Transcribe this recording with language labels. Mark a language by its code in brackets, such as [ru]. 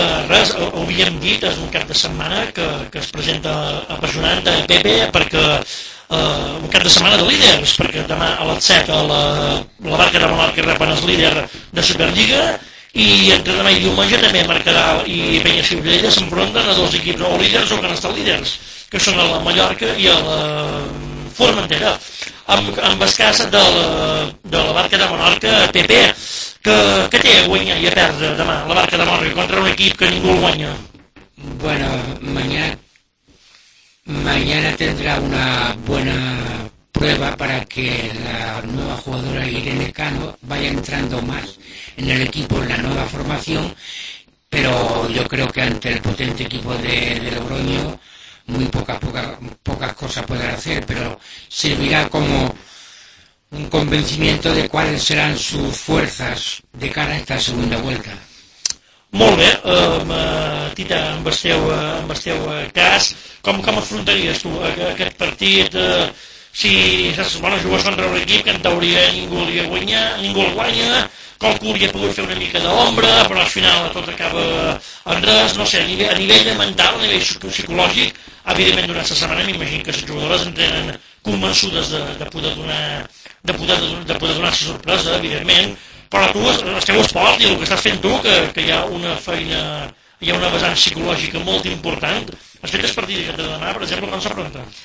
[ca] Res, ho havíem dit, és un cap de setmana que es presenta apassionant a Pepe, perquè un cap de setmana de líders, perquè demà a les 7 la Barca de Menorca repen els líders de Superliga, i entre demà i diumenge també Mercadal i Penya Ciutadella s'enfronten a dos equips o líders o que han estat líders, que són a la Mallorca i a la Formentera. Amb el cas de la Barca de Menorca, Pepe, que té a guanyar i a perdre demà la Barca de Menorca contra un equip que ningú guanya? [es] Bueno, mañana tendrá una buena prueba para que la nueva jugadora Irene Cano vaya entrando más en el equipo, en la nueva formación, pero yo creo que ante el potente equipo de Logroño muy pocas cosas podrá hacer, pero servirá como un convencimiento de cuáles serán sus fuerzas de cara a esta segunda vuelta. [ca] Molt bé, Tita, amb el seu cas, com afrontaries tu aquest partit? Si saps, bueno, jugues contra un equip que en teoria ningú el guanya, qualcú hauria pogut fer una mica d'ombra, però al final tot acaba en res, no sé, a nivell mental, a nivell psicològic, evidentment durant la setmana m'imagino que les jugadores entenen convençudes de poder donar la sorpresa, evidentment, però tu, el teu esport i el que estàs fent tu, que hi ha una feina, hi ha una vessant psicològica molt important, has fet el partit de demà, per exemple, com s'apronta?